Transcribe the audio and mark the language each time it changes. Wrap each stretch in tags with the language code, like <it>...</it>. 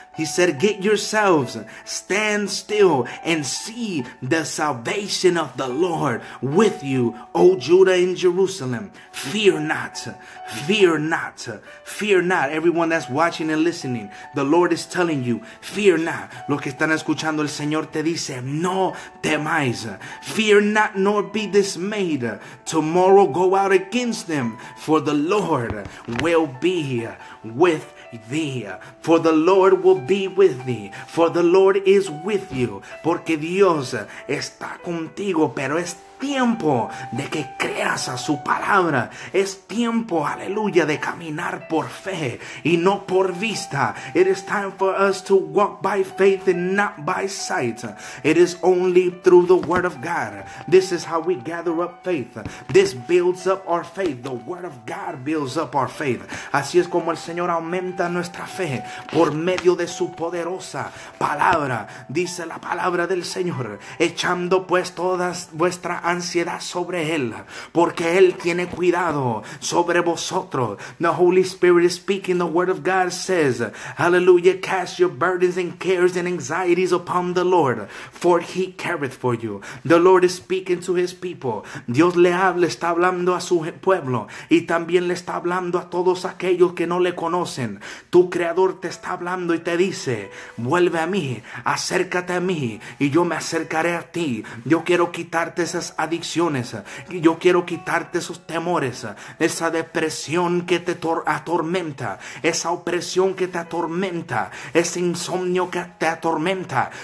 <en>He said, get yourselves, stand still, and see the salvation of the Lord with you, O Judah and Jerusalem. Fear not, fear not, fear not. Everyone that's watching and listening, the Lord is telling you, fear not.</en> <es>Los que están escuchando, el Señor te dice, no temáis.</es> <en>Fear not, nor be dismayed. Tomorrow go out against them, for the Lord will be with you. Thee, for the Lord will be with thee, for the Lord is with you,</en> <es>porque Dios está contigo, pero es tiempo de que creas a su palabra. Es tiempo, aleluya, de caminar por fe y no por vista.</es> <en>It is time for us to walk by faith and not by sight. It is only through the word of God. This is how we gather up faith. This builds up our faith. The word of God builds up our faith.</en> <es>Así es como el Señor aumenta nuestra fe, por medio de su poderosa palabra. Dice la palabra del Señor, echando pues todas vuestras ansiedad sobre él, porque él tiene cuidado sobre vosotros.</es> <en>The Holy Spirit is speaking. The word of God says, hallelujah, cast your burdens and cares and anxieties upon the Lord, for he careth for you. The Lord is speaking to his people.</en> <es>Dios le habla, está hablando a su pueblo, y también le está hablando a todos aquellos que no le conocen. Tu creador te está hablando y te dice, vuelve a mí, acércate a mí, y yo me acercaré a ti. Yo quiero quitarte esa adicciones, yo quiero quitarte esos temores, esa depresión que te atormenta, esa opresión que te atormenta, ese insomnio que te atormenta.</es>